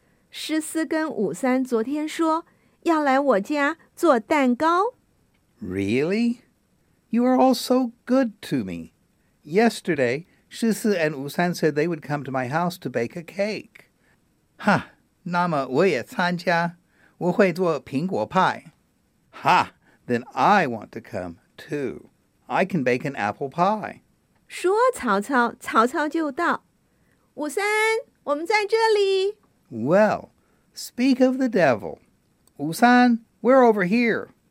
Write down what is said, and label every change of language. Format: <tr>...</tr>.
<zh>十四跟五三昨天说要来我家做蛋糕。</zh> <en>Really? You are all so good to me. Yesterday, 十四 and 五三 said they would come to my house to bake a cake. Huh.</en> <zh>那么我也参加，我会做苹果派。</zh> <en>Ha! Then I want to come, too. I can bake an apple pie.</en> <zh>说曹操，曹操就到。武三，我们在这里。</zh> <en>Well, speak of the devil. 武三 we're over here.</en>